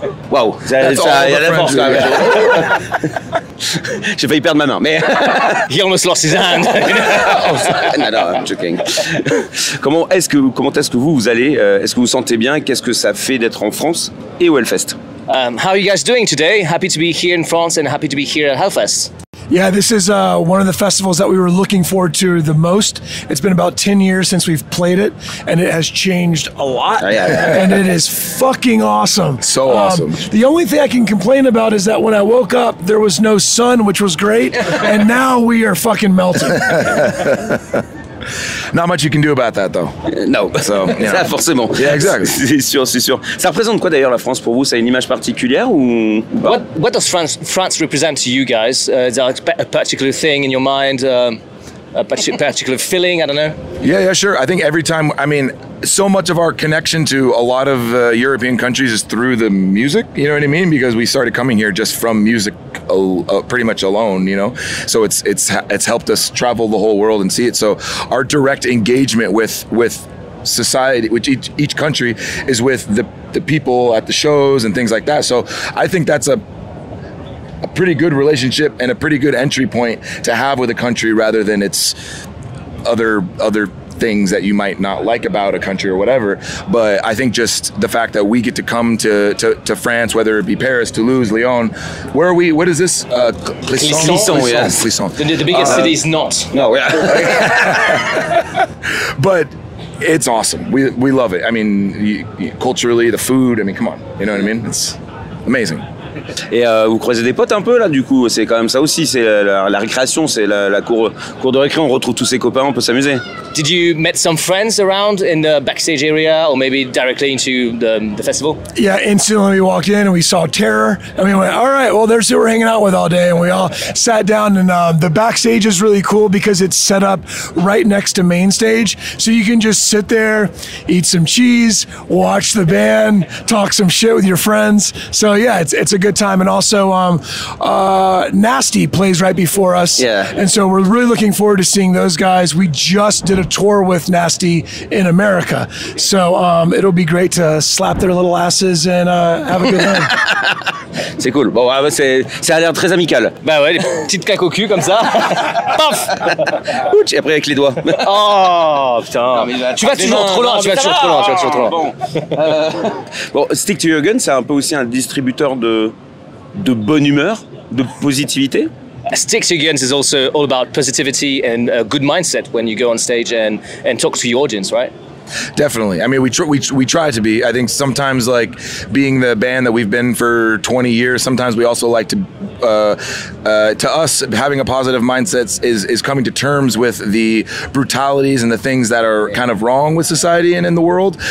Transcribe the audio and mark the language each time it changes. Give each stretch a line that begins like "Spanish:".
French: Wow, il y a la force quand même. J'ai failli perdre ma main, mais...
English: He almost lost his hand. No, I'm joking.
French: Comment est-ce que vous allez? Est-ce que vous sentez bien? Qu'est-ce que ça fait d'être en France et au Hellfest?
English: How are you guys doing today? Happy to be here in France and happy to be here at Hellfest. Yeah, this is one of the festivals that we were looking forward to the most. It's been about 10 years since we've played it, and it has changed a lot. Oh, yeah. And it is fucking awesome. So awesome. The only thing I can complain about is that when I woke up, there was no sun, which was great, and now we are fucking melting. Not much you can do about that, though. No. So, yeah.
French: Ça, forcément.
English: Yeah, exactly.
French: C'est sûr, c'est sûr. Ça représente quoi, d'ailleurs, la France pour vous? Ça a une image particulière ou...
English: What does France represent to you guys? Is there a particular thing in your mind? A particular feeling? I don't know. Yeah, sure. I think every time... I mean, so much of our connection to a lot of European countries is through the music. You know what I mean? Because we started coming here just from music. Pretty much alone, you know, so it's helped us travel the whole world and see it. So our direct engagement with society, which each country is with the people at the shows and things like that. So I think that's a pretty good relationship and a pretty good entry point to have with a country rather than its other things that you might not like about a country or whatever. But I think just the fact that we get to come to France, whether it be Paris, Toulouse, Lyon, where are we? What is this? Clisson, yes. The biggest city is not. No, yeah. But it's awesome. We love it. I mean, culturally, the food, I mean, come on. You know what I mean? It's amazing.
French: Et vous croisez des potes un peu là, du coup, c'est quand même ça aussi, c'est la récréation, c'est la cour de récré, on retrouve tous ses copains, on peut s'amuser.
English: Did you meet some friends around in the backstage area or maybe directly into the festival? Yeah, instantly we walked in and we saw Terror and we went, all right, well, there's who we're hanging out with all day. And we all sat down and the backstage is really cool because it's set up right next to main stage. So you can just sit there, eat some cheese, watch the band, talk some shit with your friends. So yeah, it's a good time. And also Nasty plays right before us. Yeah. And so we're really looking forward to seeing those guys. We just did a tour with Nasty in America. So it'll be great to slap their little asses and have a good time.
French: C'est cool. Bon, ça a l'air très amical. Bah ouais, des petites caques au cul comme ça. Paf. Ouch, et après avec les doigts. Oh putain. Tu vas toujours trop loin, tu vas toujours trop loin. Bon, Stick to Jürgen, c'est un peu aussi un distributeur de bonne humeur, de positivité.
English: Stick to Jürgen is also all about positivity and a good mindset when you go on stage and talk to your audience, right? Definitely. I mean, we try to be. I think sometimes, like, being the band that we've been for 20 years, sometimes we also like to us, having a positive mindset is coming to terms with the brutalities and the things that are kind of wrong with society and in the world.